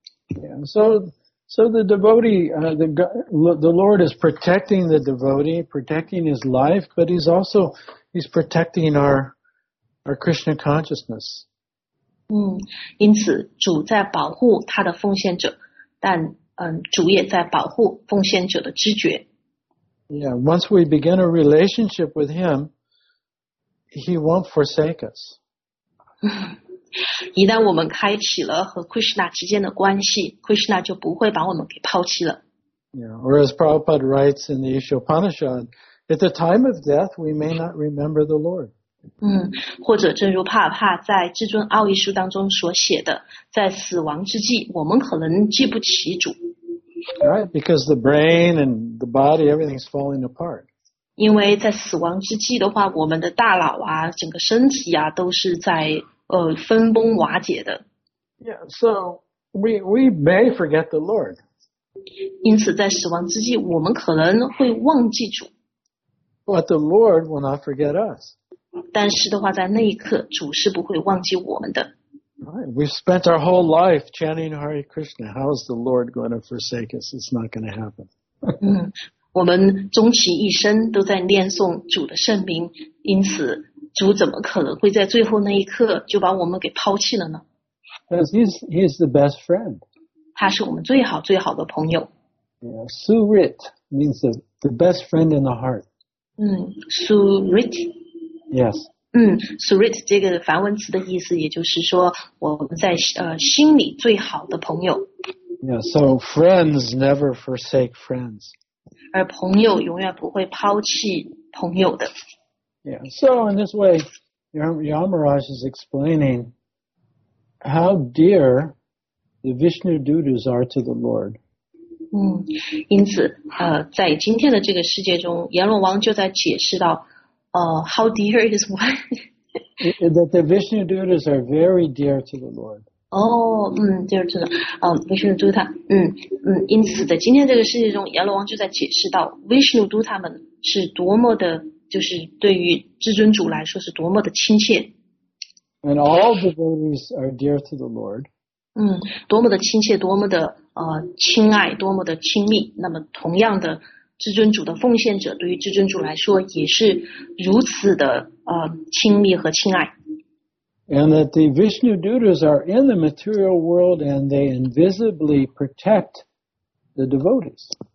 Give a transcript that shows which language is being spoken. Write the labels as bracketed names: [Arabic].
[English] Yeah, so the devotee, the Lord is protecting the devotee, protecting his life, but he's also protecting our Krishna consciousness. [Chinese] 因此主在保护他的奉献者，但主也在保护奉献者的知觉。 [English] Yeah, once we begin a relationship with him, he won't forsake us. [Chinese] 一旦我们开启了和 Krishna 之间的关系， Krishna 就不会把我们给抛弃了。 [English] Or as Prabhupada writes in the Isha-Upanishad, at the time of death, we may not remember the Lord. [Chinese] 或者正如帕帕在至尊奥义书当中所写的，在死亡之际，我们可能记不起主。 [English] Right, because the brain and the body, everything's falling apart. [Chinese] 因为在死亡之际的话，我们的大脑啊，整个身体啊，都是在分崩瓦解的。 [English] Yeah, so we may forget the Lord. [Chinese] 因此在死亡之际我们可能会忘记主。 [English] But the Lord will not forget us. [Chinese] 但是的话在那一刻主是不会忘记我们的。 [English] Right. We've spent our whole life chanting Hare Krishna. How is the Lord going to forsake us? It's not going to happen. [Chinese] 我们终其一生都在念诵主的圣名，因此主怎么可能会在最后那一刻就把我们给抛弃了呢？ [English] Because he's the best friend. [Chinese] 他是我们最好最好的朋友。 [English] Yeah, Surit means the best friend in the heart. Surit? Yes. [Chinese] Surit 这个梵文词的意思也就是说我们在心里最好的朋友。 [English] Yeah, so friends never forsake friends. [Chinese] 而朋友永远不会抛弃朋友的。 [English] Yeah, so in this way, Yamaraj is explaining how dear... The Vishnu Dutas are to the Lord. [Chinese] 因此在今天的这个世界中阎罗王就在解释到 [English] how dear is what? That the Vishnu Dutas are very dear to the Lord. Dear to the Vishnu Duta. [Chinese] 因此在今天这个世界中阎罗王就在解释到 Vishnu Duta 们是多么的就是对于至尊主来说是多么的亲切。 [English] And all devotees are dear to the Lord. [Chinese] 多么的亲切，多么的亲爱，多么的亲密。那么同样的，至尊主的奉献者对于至尊主来说也是如此的亲密和亲爱。 [English] And that the Vishnu Dutas are in the material world and they invisibly protect the devotees.